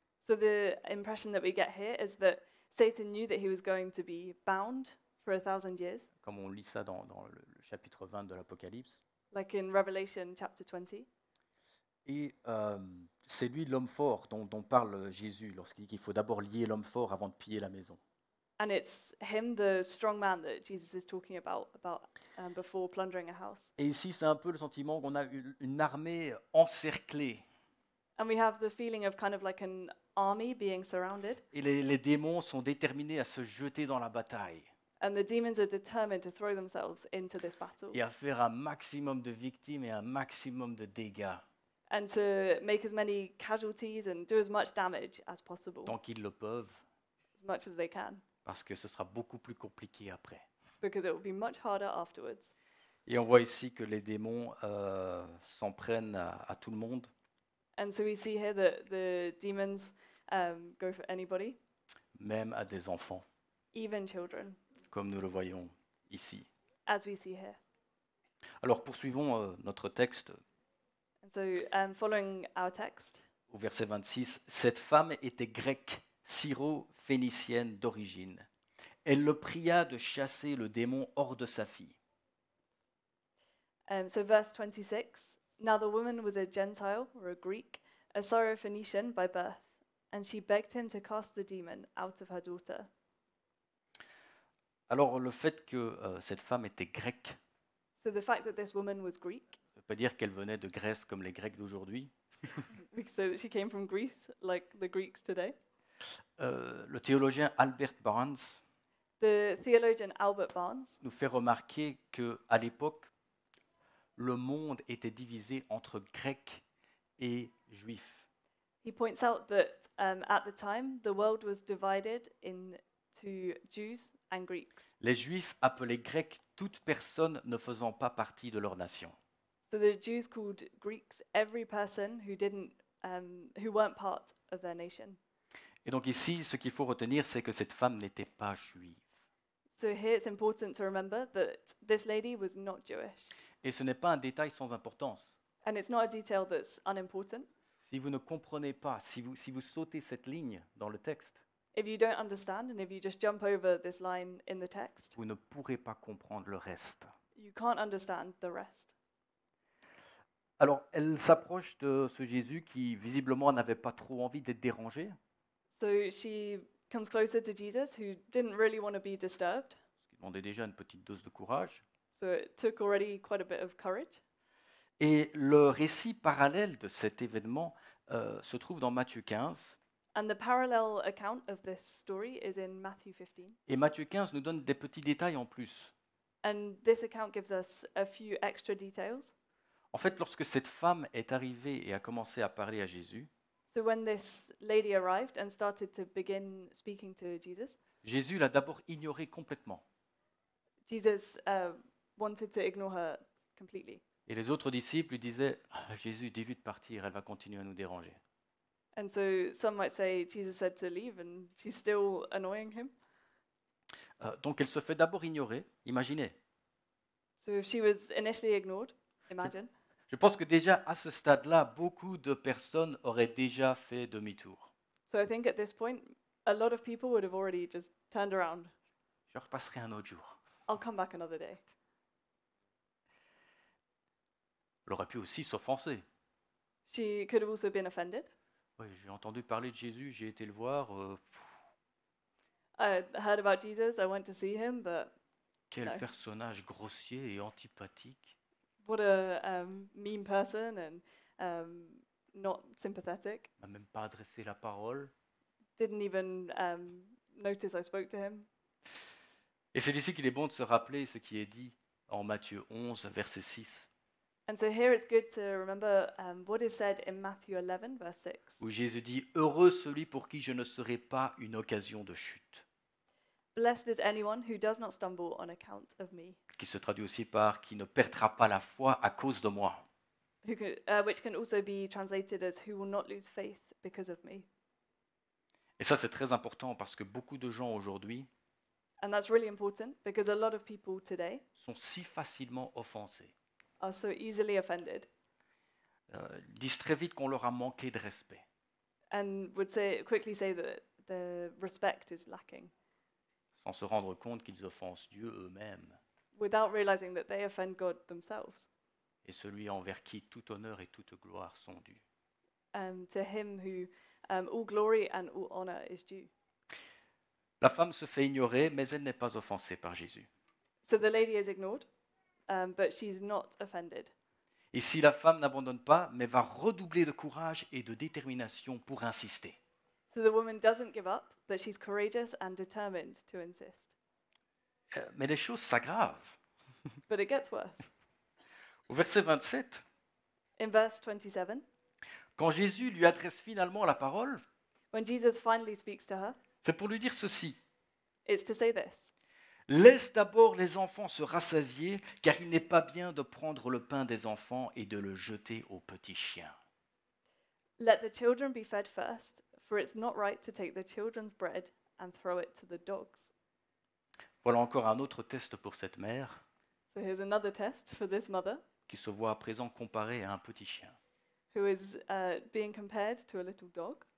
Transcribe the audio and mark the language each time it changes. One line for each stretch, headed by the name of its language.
English: So the impression that we get here is that Satan knew that he was going to be bound for 1,000 years.
French: Comme on lit ça dans le chapitre 20 de l'Apocalypse.
English: Like in Revelation chapter 20.
French: Et c'est lui l'homme fort dont parle Jésus lorsqu'il dit qu'il faut d'abord lier l'homme fort avant de piller la maison.
English: And it's him, the strong man that Jesus is talking about before plundering a house.
French: Et ici, c'est un peu le sentiment qu'on a une armée encerclée.
English: And we have the feeling of kind of like an army being surrounded.
French: Et les démons sont déterminés à se jeter dans la bataille.
English: And the demons are determined to throw themselves into this battle.
French: Et à faire un maximum de victimes et un maximum de dégâts.
English: And to make as many casualties and do as much damage as possible.
French: Tant qu'ils le peuvent.
English: As much as they can.
French: Parce que ce sera beaucoup plus compliqué après.
English: Because it will be much harder afterwards.
French: Et on voit ici que les démons s'en prennent à tout le monde.
English: And so we see here that the demons go for anybody.
French: Même à des enfants.
English: Even children.
French: Comme nous le voyons ici.
English: As we see here.
French: Alors poursuivons notre texte.
English: And so following our text.
French: Au verset 26, cette femme était grecque, Syro. Phénicienne d'origine. Elle le pria de chasser le démon hors de sa fille.
English: So verse 26. Now the woman was a Gentile or a Greek, a Syrophoenician by birth, and she begged him to cast the demon out of her daughter.
French: Alors le fait que cette femme était grecque.
English: So the fact that this woman was Greek.
French: Ça veut pas dire qu'elle venait de Grèce comme les Grecs d'aujourd'hui.
English: So she came from Greece like the Greeks today.
French: Le théologien Albert Barnes,
English: the theologian Albert Barnes
French: nous fait remarquer qu'à l'époque, le monde était divisé entre Grecs et Juifs.
English: He points out that at the time, the world was divided into Jews and Greeks.
French: Les Juifs appelaient Grecs toute personne ne faisant pas partie de leur nation.
English: So the Jews called Greeks every person who weren't part of their nation.
French: Et donc ici, ce qu'il faut retenir, c'est que cette femme n'était pas juive.
English: So here it's important to remember that this lady was not Jewish.
French: Et ce n'est pas un détail sans importance.
English: And it's not a detail that's unimportant.
French: Si vous ne comprenez pas, si vous sautez cette ligne dans le texte,
English: if you don't understand and if you just jump over this line in the text,
French: vous ne pourrez pas comprendre le reste.
English: You can't understand the rest.
French: Alors, elle s'approche de ce Jésus qui visiblement n'avait pas trop envie d'être dérangé.
English: So she comes closer to Jesus, who didn't really want to be disturbed.
French: Ce qui demandait déjà une petite dose de courage.
English: So it took already quite a bit of courage.
French: Et le récit parallèle de cet événement se trouve dans Matthieu 15.
English: And the parallel account of this story is in Matthew 15.
French: Et Matthieu 15 nous donne des petits détails en plus.
English: And this account gives us a few extra details.
French: En fait, lorsque cette femme est arrivée et a commencé à parler à Jésus,
English: so when this lady arrived and started to begin speaking to Jesus,
French: Jésus l'a d'abord ignorée complètement.
English: Jesus wanted to ignore her completely.
French: Et les autres disciples lui disaient, ah, Jésus, dis-lui de partir, elle va continuer à nous déranger.
English: And so some might say Jesus said to leave and she's still annoying him.
French: Donc elle se fait d'abord ignorer, imaginez.
English: So if she was initially ignored, imagine.
French: Je pense que déjà à ce stade-là, beaucoup de personnes auraient déjà fait demi-tour.
English: So I think at this point, a lot of people would have already just turned around.
French: Je repasserai un autre jour.
English: I'll come back another day.
French: Elle aurait pu aussi s'offenser.
English: She could have also been offended.
French: Oui, j'ai entendu parler de Jésus, j'ai été le voir.
English: I heard about Jesus, I went to see him, but
French: quel personnage grossier et antipathique.
English: What a mean person and not sympathetic.
French: Il m'a même pas adressé la parole.
English: Didn't even notice I spoke to him.
French: Et c'est ici qu'il est bon de se rappeler ce qui est dit en Matthieu 11, verset 6.
English: And so here it's good to remember what is said in Matthew 11, verse 6.
French: Où Jésus dit, heureux celui pour qui je ne serai pas une occasion de chute.
English: Blessed is anyone who does not stumble on account of me.
French: Qui se traduit aussi par qui ne perdra pas la foi à cause de moi.
English: Which can also be translated as who will not lose faith because of me.
French: Et ça c'est très important parce que beaucoup de gens aujourd'hui.
English: And that's really important because a lot of people today
French: sont si facilement offensés.
English: Are so easily offended.
French: Disent très vite qu'on leur a manqué de respect.
English: And would say quickly say that the respect is lacking.
French: Sans se rendre compte qu'ils offensent Dieu eux-mêmes.
English: Without realizing that they offend God themselves.
French: Et celui envers qui tout honneur et toute gloire sont dus.
English: To him who all glory and all honor is due.
French: La femme se fait ignorer, mais elle n'est pas offensée par Jésus.
English: So the lady is ignored, but she's not offended.
French: Et si la femme n'abandonne pas, mais va redoubler de courage et de détermination pour insister.
English: So the woman doesn't give up, but she's courageous and determined to insist.
French: Mais les choses s'aggravent.
English: But it gets worse.
French: Au verset 27.
English: In verse 27.
French: Quand Jésus lui adresse finalement la parole.
English: When Jesus finally speaks to her.
French: C'est pour lui dire ceci.
English: It's to say this.
French: Laisse d'abord les enfants se rassasier, car il n'est pas bien de prendre le pain des enfants et de le jeter aux petits chiens.
English: Let the children be fed first. For it's not right to take the children's bread and throw it to the dogs.
French: Voilà encore un autre test pour cette mère.
English: So here's another test for this mother.
French: Qui se voit à présent comparée à un petit chien.
English: Who is being compared to a little dog.